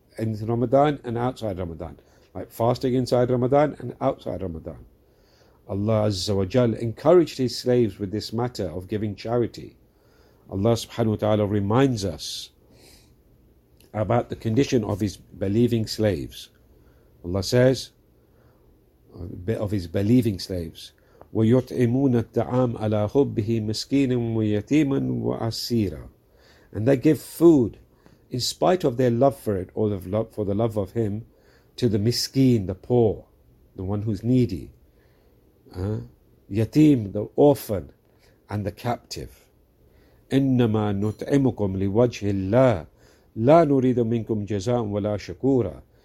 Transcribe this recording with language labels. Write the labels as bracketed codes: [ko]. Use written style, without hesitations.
[en] In Ramadan and outside Ramadan. Like fasting inside Ramadan and outside Ramadan. Allah Azza wa Jal encouraged his slaves with this matter of giving charity. Allah subhanahu wa ta'ala reminds us about the condition of his believing slaves. Allah says, of his believing slaves, [ar] وَيُطْعِمُونَ الطَّعَامَ عَلَىٰ حُبِّهِ مِسْكِينًا وَيَتِيمًا وَأَسِيرًا. [en] And they give food, in spite of their love for it, or for the love of him, to the miskeen, the poor, the one who's needy. Yatim, the orphan, and the captive. [ar] إِنَّمَا نُطْعِمُكُمْ لِوَجْهِ اللَّهِ لَا نُرِيدُ مِنْكُمْ جَزَاءً وَلَا شَكُورًا.